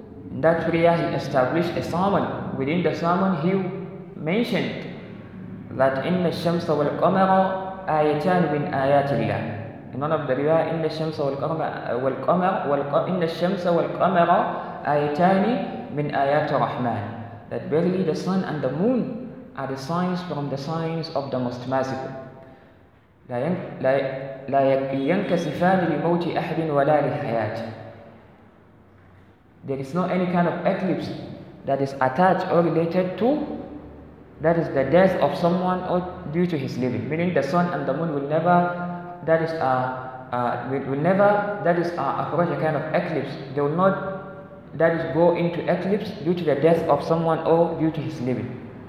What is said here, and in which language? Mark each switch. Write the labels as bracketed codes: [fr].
[en] In that prayer he established a sermon. Within the sermon he mentioned that [ar] inna shamsa wal qamara ayatan min ayatillah. [en] In one of the riwayah, [ar] inna shamsa wal qamara ayatan min ayat rahman, [en] that verily the sun and the moon are the signs from the signs of the most merciful. [ar] لا ينكسفان لموت أحد ولا لحياة. [en] There is no any kind of eclipse that is attached or related to, that is, the death of someone or due to his living. Meaning the sun and the moon will never approach a kind of eclipse. They will not, that is, go into eclipse due to the death of someone or due to his living.